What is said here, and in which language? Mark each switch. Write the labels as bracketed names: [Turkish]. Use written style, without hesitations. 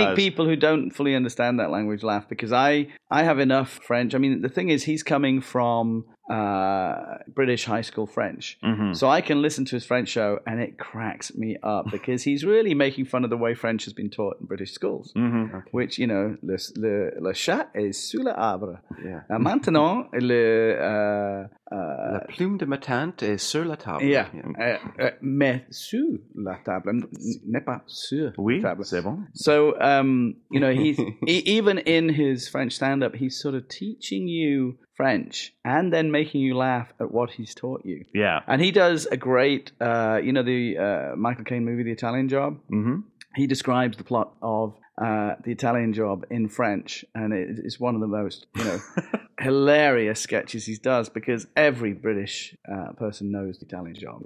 [English] And make people who don't fully understand that language laugh. Because I have enough French. I mean, the thing is, he's coming from British high school French, mm-hmm. so I can listen to his French show and it cracks me up because he's really making fun of the way French has been taught in British schools, mm-hmm. okay. which, you know, [French] le chat est sous l'arbre. [English] Yeah. [French] Maintenant, le... La plume de ma tante est sur la table. [English] Yeah. [French] Mais sur la table, n'est pas sur oui, la table. Oui, c'est bon. [English] So, you know, even in his French stand-up, he's sort of teaching you French and then making you laugh at what he's taught you. Yeah. And he does a great, you know, the Michael Caine movie, The Italian Job? Mm-hmm. He describes the plot of The Italian Job in French, and it's one of the most, you know, hilarious sketches he does because every British person knows The Italian Job.